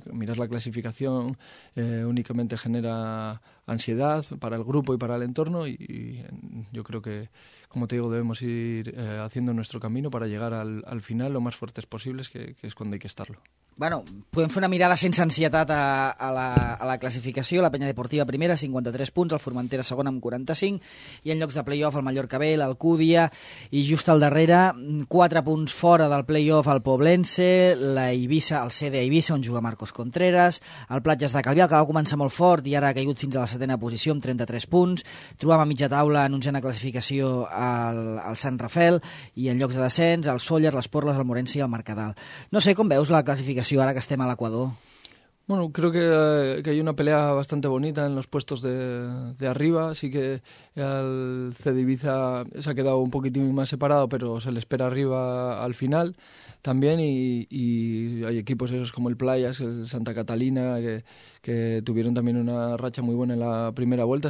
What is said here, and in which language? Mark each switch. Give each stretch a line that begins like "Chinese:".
Spanish: Mirar la clasificación únicamente genera ansiedad para el grupo y para el entorno y yo creo que, como te digo, debemos ir haciendo nuestro camino para llegar al final lo más fuertes posibles, que es cuando hay que estarlo.
Catalan: Bueno, podem fer una mirada sense ansietat a la classificació. La Penya Deportiva primera, 53 punts, el Formentera segona amb 45, i en llocs de play-off el Mallorca B, l'Alcúdia, i just al darrere, 4 punts fora del play-off el Poblense, el CD Eivissa, on juga Marcos Contreras, el Platges de Calvià, que va començar molt fort i ara ha caigut fins a la setena posició amb 33 punts. Trobam a mitja taula en onzena classificació el Sant Rafel, i en llocs de descens el Sóller, les Porles, el Morense i el Mercadal. No sé com veus la classificació
Spanish: ahora que estemos
Catalan: al Ecuador.
Spanish: Bueno, creo que hay una pelea bastante bonita en los puestos de arriba. Sí que al CD Ibiza se ha quedado un poquitín más separado, pero se le espera arriba al final también. Y hay equipos esos como el Playas, el Santa Catalina, que tuvieron también una racha muy buena en la primera vuelta.